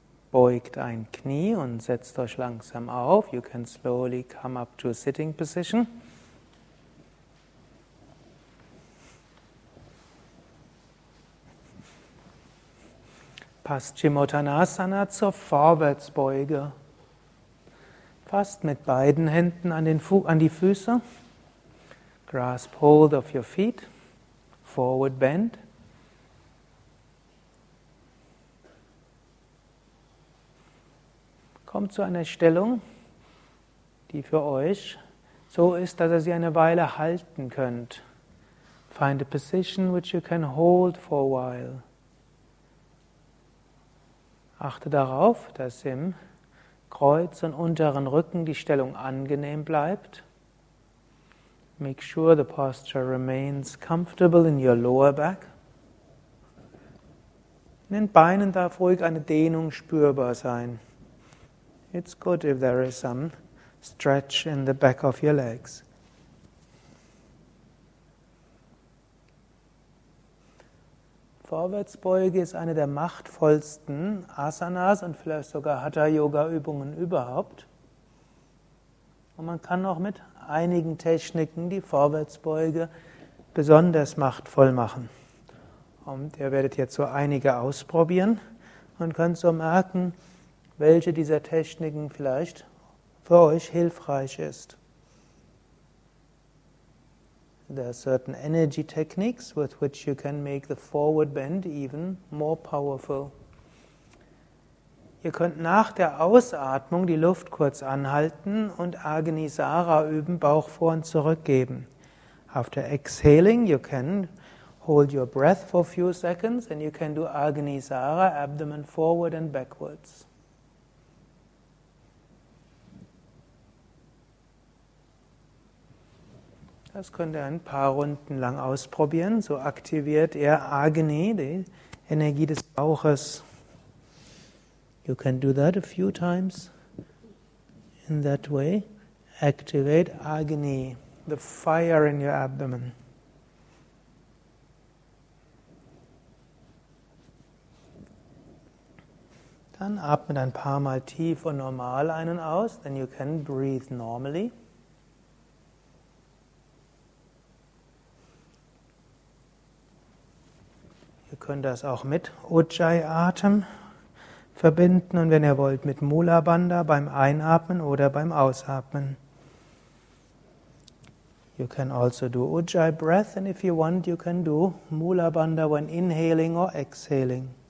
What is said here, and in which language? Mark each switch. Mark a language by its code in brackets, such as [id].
[de] Beugt ein Knie und setzt euch langsam auf. [en] You can slowly come up to a sitting position. [de] Passt Chimottanasana zur Vorwärtsbeuge. Fasst mit beiden Händen an die Füße. [en] Grasp hold of your feet. Forward bend. [de] Kommt zu einer Stellung, die für euch so ist, dass ihr sie eine Weile halten könnt. [en] Find a position which you can hold for a while. [de] Achte darauf, dass im Kreuz und unteren Rücken die Stellung angenehm bleibt. [en] Make sure the posture remains comfortable in your lower back. [de] In den Beinen darf ruhig eine Dehnung spürbar sein. [en] It's good if there is some stretch in the back of your legs. [de] Vorwärtsbeuge ist eine der machtvollsten Asanas und vielleicht sogar Hatha-Yoga-Übungen überhaupt. Und man kann auch mit einigen Techniken die Vorwärtsbeuge besonders machtvoll machen. Und ihr werdet jetzt so einige ausprobieren und könnt so merken, welche dieser Techniken vielleicht für euch hilfreich ist. [en] There are certain energy techniques with which you can make the forward bend even more powerful. [de] Ihr könnt nach der Ausatmung die Luft kurz anhalten und Agnisara üben, Bauch vor und zurückgeben. [en] After exhaling, you can hold your breath for a few seconds and you can do Agnisara, abdomen forward and backwards. [de] Das könnt ihr ein paar Runden lang ausprobieren. So aktiviert ihr Agni, die Energie des Bauches. [en] You can do that a few times. in that way, activate Agni, the fire in your abdomen. [de] Dann atmet ein paar Mal tief und normal ein und aus, [en] then you can breathe normally. [de] Ihr könnt das auch mit Ujjayi-Atem verbinden und wenn ihr wollt mit Mulabandha beim Einatmen oder beim Ausatmen. [en] You can also do Ujjayi breath and if you want you can do Mulabandha when inhaling or exhaling.